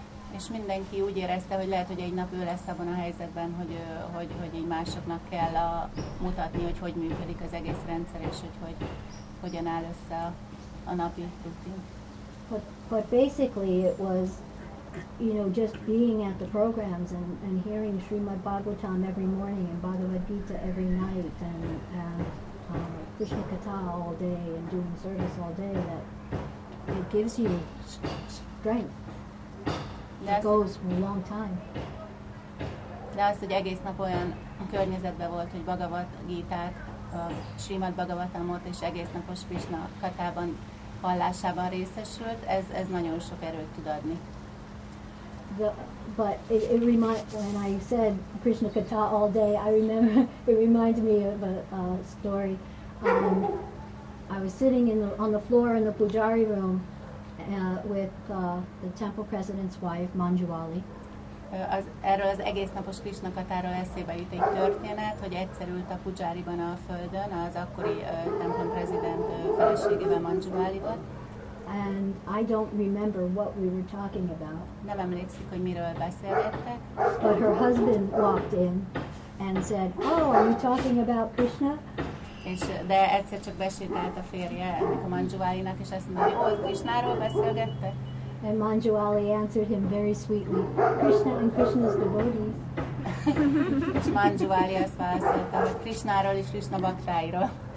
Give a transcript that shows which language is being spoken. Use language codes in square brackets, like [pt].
[hu] És mindenki úgy érezte, hogy lehet, hogy egy nap ő lesz abban a helyzetben, hogy egy másoknak kell mutatni, hogy hogy működik az egész rendszer, és hogy hogyan áll össze a napi rutin. [en] But basically it was, you know, just being at the programs and hearing Srimad Bhagavatam every morning and Bhagavad Gita every night and Krishna Katha all day and doing service all day that it gives you strength. It goes a long time. [hu] De az, hogy egész nap olyan környezetben volt, hogy Bhagavad Gita-t, Srimad Bhagavatamot és egész napos Krishna Katában hallásában részesült, ez nagyon sok erőt tud adni. [en] When I said Krishna Katha all day, I remember it reminds me of a story. I was sitting on the floor in the pujari room with the temple president's wife, Manjuali. [hu] Erről az egész napos Krishna Katáról eszébe jut egy történet, hogy egyszer ült a pujáriban a földön az akkori templom president feleségével, Manjuvalival. [en] And I don't remember what we were talking about. [hu] Nem emlékszik, hogy miről beszélgettek. [en] But her husband walked in and said, "Oh, are you talking about Krishna?" [hu] És de egyszer csak besétált a férje ennek a Manjuvalinak, és azt mondja, "Oh, Krishnáról beszélgettek?" [en] And Manjuali answered him very sweetly, "Krishna and Krishna's devotees." [hu] És Manjuali azt válaszolta, "Krishnáról és Krishna baktáiról."